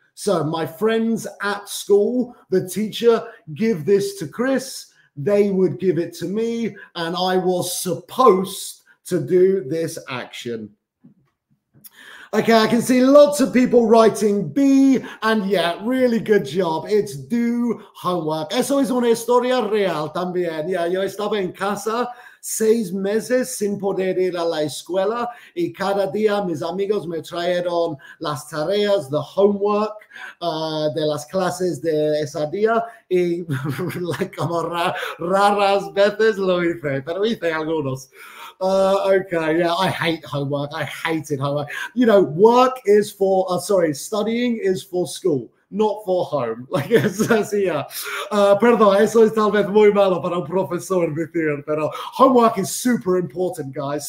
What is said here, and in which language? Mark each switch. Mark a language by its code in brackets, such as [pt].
[en] So my friends at school, the teacher, give this to Chris. They would give it to me, and I was supposed to do this action. Okay, I can see lots of people writing B, and yeah, really good job. It's do homework. [es] Eso es una historia real también. Yeah, yo estaba en casa 6 meses sin poder ir a la escuela, y cada día mis amigos me trajeron las tareas, the homework de las clases de ese día, y como raras veces lo hice, pero hice algunos. [en] I hate homework. I hated homework. You know, studying is for school, not for home. Like it says here. [es] Perdón, eso es tal vez muy malo para un profesor decir, pero [en] homework is super important, guys.